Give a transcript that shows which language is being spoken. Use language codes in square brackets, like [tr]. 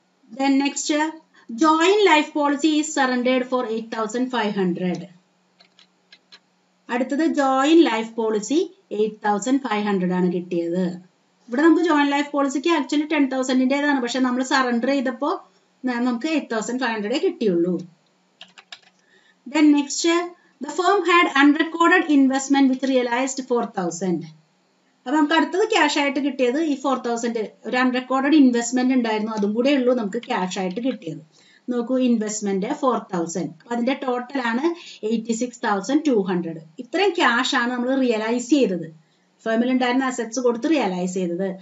[en] Then next joint life policy is surrendered for 8,500. [ml] അടുത്തത് joint life policy 8,500 ആണ് കിട്ടിയത്. ഇവിടെ നമുക്ക് ജോയിന്റ് ലൈഫ് പോളിസിക്ക് ആക്ച്വലി 10,000 പക്ഷെ നമ്മൾ സറണ്ടർ ചെയ്തപ്പോൾ നമുക്ക് 8,500 കിട്ടിയുള്ളൂ. [en] Then next The firm had unrecorded investment which realized 4,000. [ml] അപ്പോൾ നമുക്ക് അടുത്തത് ക്യാഷ് ആയിട്ട് കിട്ടിയത് ഈ 4,000, ഒരു അൺറെക്കോർഡ് ഇൻവെസ്റ്റ്മെൻറ്റ് ഉണ്ടായിരുന്നു, അതും കൂടെ ഉള്ളൂ നമുക്ക് ക്യാഷ് ആയിട്ട് കിട്ടിയത്. നോക്കൂ, ഇൻവെസ്റ്റ്മെൻറ്റ് 4,000, അപ്പോൾ അതിൻ്റെ ടോട്ടലാണ് 86,200. ഇത്രയും ക്യാഷാണ് നമ്മൾ റിയലൈസ് ചെയ്തത്, ഫേമിൽ ഉണ്ടായിരുന്ന അസറ്റ്സ് കൊടുത്ത് റിയലൈസ് ചെയ്തത്.